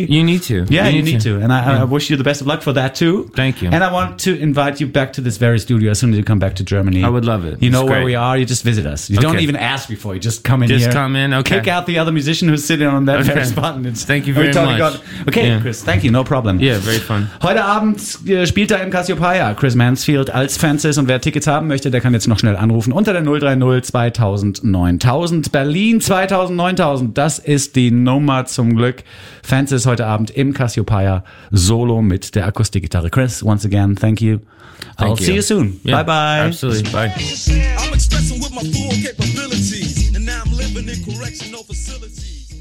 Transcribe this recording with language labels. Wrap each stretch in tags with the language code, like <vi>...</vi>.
<en>You need to. Yeah, you need to. And I wish you the best of luck for that too. Thank you. And I want to invite you back to this very studio as soon as you come back to Germany. I would love it. You know where we are. You just visit us. Don't even ask before. You just come in just here. Just come in. Okay. Kick out the other musician who's sitting on that very spot. Thank you very much. Chris, thank you. No problem. Yeah, very fun.</en> <de>Heute Abend spielt er im Cassiopeia, Chris Mansfield, als Fences. Und wer Tickets haben möchte, der kann jetzt noch schnell anrufen unter der 030-2000-9000. Berlin 2000-9000. Das ist die Nummer zum Glück. Fans ist heute Abend im Cassiopeia solo mit der Akustikgitarre.</de> <en>Chris, once again, thank you. See you soon. Yeah, bye bye. Absolutely. Bye. I'm expressing with my full capabilities, and now I'm living in correctional facilities.</en>